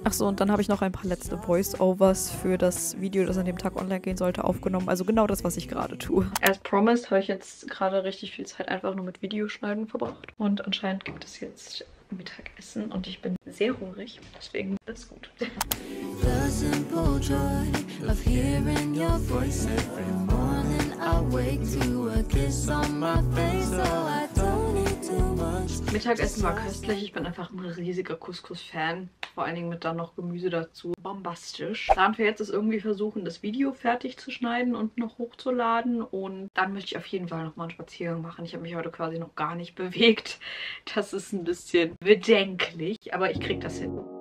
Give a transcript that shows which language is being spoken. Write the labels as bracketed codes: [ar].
[de] Achso, und dann habe ich noch ein paar letzte Voiceovers für das Video, das an dem Tag online gehen sollte, aufgenommen. Also genau das, was ich gerade tue. [en] As promised [de] habe ich jetzt gerade richtig viel Zeit einfach nur mit Videoschneiden verbracht und anscheinend gibt es jetzt Mittagessen und ich bin sehr hungrig, deswegen alles gut. [en] The simple joy of hearing your voice every morning. I wake to a kiss on my face, so I don't need too much. [de] Mittagessen war köstlich, ich bin einfach ein riesiger Couscous-Fan. Vor allen Dingen mit dann noch Gemüse dazu. Bombastisch. Plan für jetzt ist irgendwie versuchen, das Video fertig zu schneiden und noch hochzuladen. Und dann möchte ich auf jeden Fall nochmal einen Spaziergang machen. Ich habe mich heute quasi noch gar nicht bewegt. Das ist ein bisschen bedenklich, aber ich kriege das hin.